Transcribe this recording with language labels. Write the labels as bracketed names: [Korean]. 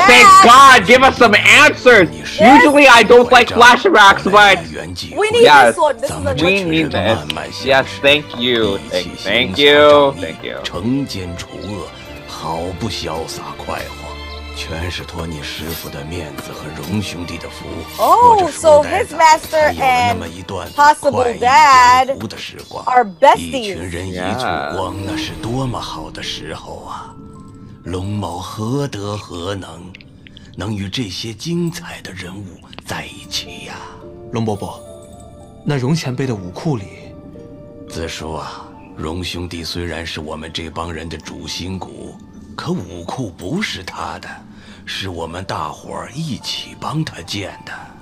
[English] Oh, thank God! Give us some answers! Usually I don't like flashbacks, but... We need this one. This is we need this. Yes, thank you. Thank you. Thank you. [Chinese] 惩奸除恶，毫不潇洒快活，全是托你师父的面子和荣兄弟的福。 [English] Oh, so his master and possible dad are besties. [Chinese] 一群人一簇光，那是多么好的时候啊！龙某何德何能，能与这些精彩的人物在一起呀？龙伯伯，那荣前辈的武库里，子叔啊，荣兄弟虽然是我们这帮人的主心骨，可武库不是他的，是我们大伙儿一起帮他建的。